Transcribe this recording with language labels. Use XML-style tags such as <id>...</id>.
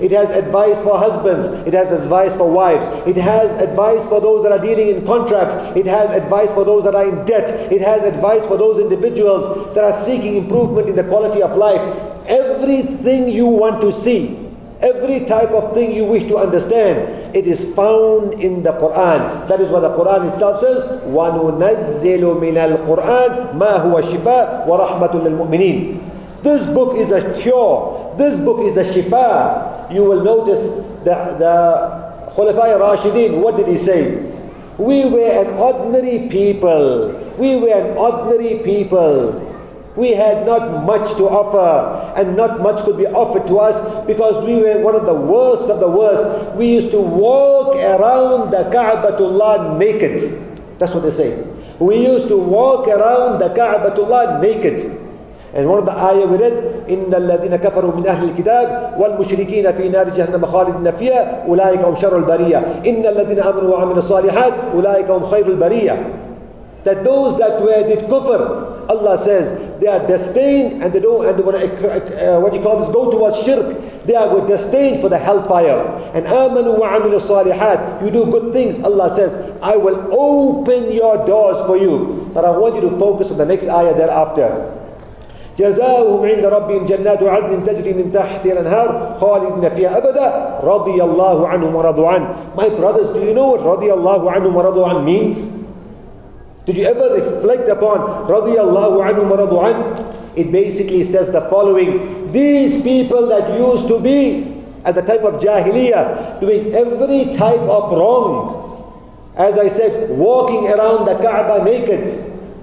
<en>It has advice for husbands. It has advice for wives. It has advice for those that are dealing in contracts. It has advice for those that are in debt. It has advice for those individuals that are seeking improvement in the quality of life. Everything you want to see, Every type of thing you wish to understand, it is found in the Quran. That is what the Quran itself says,</en> <ar>وَنُنَزِّلُ مِنَ الْقُرْآنِ مَا هُوَ الشِّفَاءُ وَرَحْمَةٌ لِلْمُؤْمِنِينَ.</ar> <en>This book is a cure. This book is a shifa. You will notice the Khulafa'i Rashidin, what did he say? We were an ordinary people. We were an ordinary people. We had not much to offer, and not much could be offered to us because we were one of the worst of the worst. We used to walk around the Ka'batullah naked. That's what they say. We used to walk around the Ka'batullah naked. And one of the ayah we read,</en> <ar>إِنَّ الَّذِينَ كَفَرُوا مِنْ أَهْلِ الْكِتَابِ وَالْمُشْرِكِينَ فِي نَارِ جَهَنَّمَ خَالِدِينَ فِيهَا أُولَٰئِكَ هُمْ شَرُّ الْبَرِيَّةِ إِنَّ الَّذِينَ آمَنُوا وَعَمِلُوا الصَّالِحَاتِ أُولَٰئِكَ هُمْ خَيْرُ الْبَرِيَّةِ.</ar> <en>That those that were did kufr, Allah says, they are destined, and they don't, and when what you call this, go towards shirk, they are destined for the hellfire. And</en> <ar>آمَنُوا وَعَمِلُوا الصَّالِحَاتِ,</ar> <en>you do good things, Allah says, I will open your doors for you. But I want you to focus on the next ayah thereafter.</en> <ar>جزاؤهم عند ربهم جنات عدن تجري من تحت الأنهار خالدين فيها أبدا رضي الله عنهم ورضوا عنه.</ar> <en>My brothers, do you know what</en> <ar>رضي الله عنهم ورضوا عنه</ar> <en>means? Did you ever reflect upon رضي الله عنهم ورضوا عنه? It basically says the following: these people that used to be at the time of Jahiliyyah doing every type of wrong, as I said, walking around the Kaaba naked.</en>